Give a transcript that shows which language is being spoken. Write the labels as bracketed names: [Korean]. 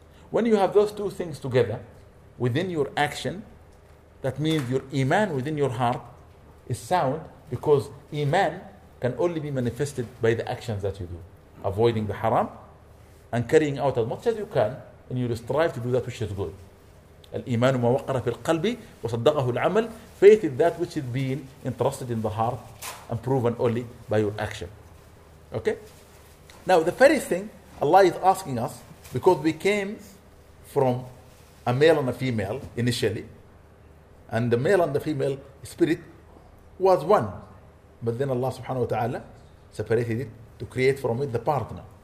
[English] When you have those two things together within your action, that means your iman within your heart is sound, because iman can only be manifested by the actions that you do, avoiding the haram and carrying out as much as you can, and you strive to do that which is good. [Arabic] الإيمان ما وقر في القلب وصدقه العمل. [English] Faith is that which is being entrusted in the heart and proven only by your action. Okay? Now the very thing Allah is asking us, because we came from a male and a female initially, and the male and the female spirit was one, but then Allah subhanahu wa ta'ala separated it to create from it the partner.